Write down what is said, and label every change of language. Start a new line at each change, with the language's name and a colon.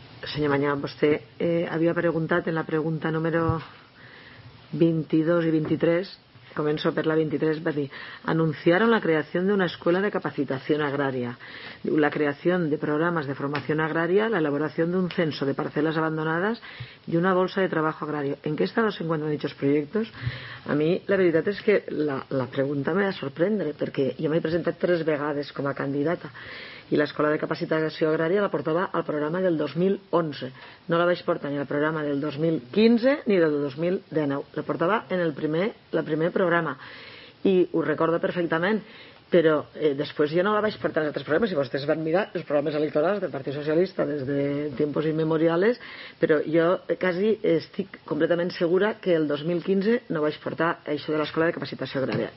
Catalan: senyor Mañà, vostè havia preguntat en la pregunta número 22 i 23, començo per la 23, va dir:
Spanish: anunciaron la creación de una escuela de capacitación agraria, la creación de programas de formación agraria, la elaboración de un censo de parcelas abandonadas y una bolsa de trabajo agrario. ¿En qué estado se encuentran dichos proyectos?
Catalan: A mí la veritat és que la pregunta me va sorprendre, perquè jo m'he presentat 3 vegades com a candidata i l'escola de capacitació agrària la portava al programa del 2011. No la vaig portar ni al programa del 2015 ni del 2019. La portava en el primer programa. I ho recordo perfectament, però després jo no la vaig portar en altres programes. I vostès van mirar els programes electorals del Partit Socialista des de
Spanish: tiempos immemoriales,
Catalan: però jo quasi estic completament segura que el 2015 no vaig portar això de l'escola de capacitació agrària.